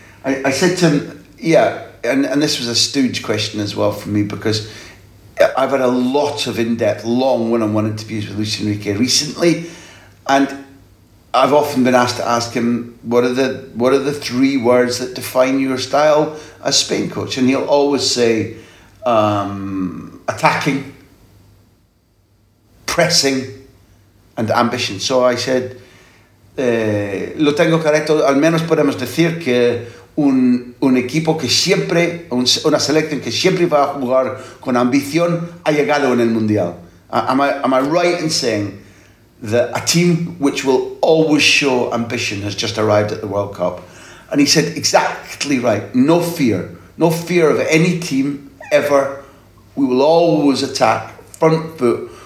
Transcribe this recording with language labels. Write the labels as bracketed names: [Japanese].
[English] I said to him, yeah. And this was a stooge question as well for me, because I've had a lot of in-depth, long one-on-one interviews with Luis Enrique recently, and I've often been asked to ask him, what are the three words that define your style as Spain coach? And he'll always say, attacking, pressing, and ambition. So I said, [Spanish] lo tengo correcto, al menos podemos decir que un equipo que siempre, una selección que siempre va a jugar con ambición ha llegado en el Mundial. [English] Am I right in saying that a team which will always show ambition has just arrived at the World Cup? And he said, exactly right, no fear. No fear of any team ever. We will always attack front foot.